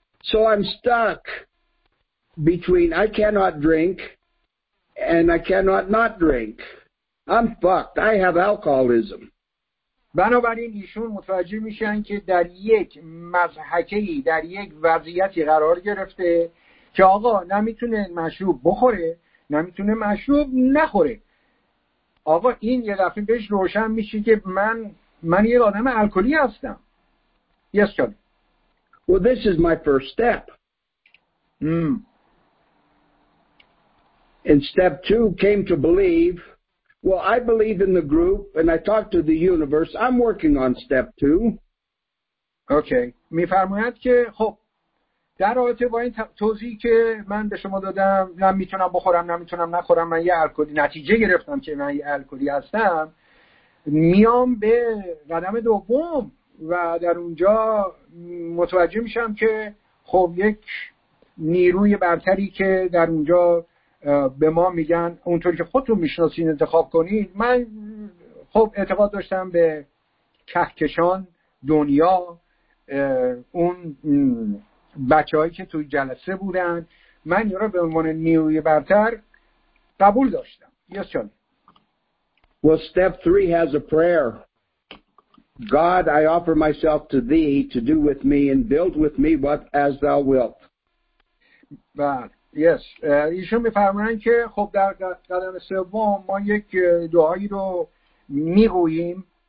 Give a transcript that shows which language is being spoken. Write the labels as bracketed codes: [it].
[en] So I'm stuck between I cannot drink and I cannot not drink. I'm fucked. I have alcoholism. [fa] بنابراین ایشون متوجه میشن که در یک مضحکه‌ای، در یک وضعیتی قرار گرفته که آقا نمیتونه مشروب بخوره، نمیتونه مشروب نخوره. آقا این یه دفعه بهش روشن میشه که من یه آدم الکلی هستم. [en] Yes, Charlie. Well, this is my first step. And step two came to believe. Well, I believe in the group and I talk to the universe. I'm working on step two. Okay. [fa] می فرماید که خب در رابطه با این توضیحی که من به شما دادم، نمیتونم بخورم، نمیتونم نخورم، من یه الکلی، نتیجه گرفتم که من یه الکلی هستم، میام به قدم دوم و در اونجا متوجه میشم که خب یک نیروی برتری که در اونجا به ما میگن، اونطوری که خودتون میشناسین انتخاب کنید. من خب اعتقاد داشتم به کهکشان، دنیا، اون بچه‌هایی که توی جلسه بودن، من اینا رو به عنوان نیروی برتر قبول داشتم. [en] Yes, Charlie. Well, step three has a prayer. God, I offer myself to thee to do with me and build with me what as thou wilt. [fa] بله. Yes. ایشون می‌فرمایند که خب در قدم سوم ما یک دعایی رو می‌گوییم.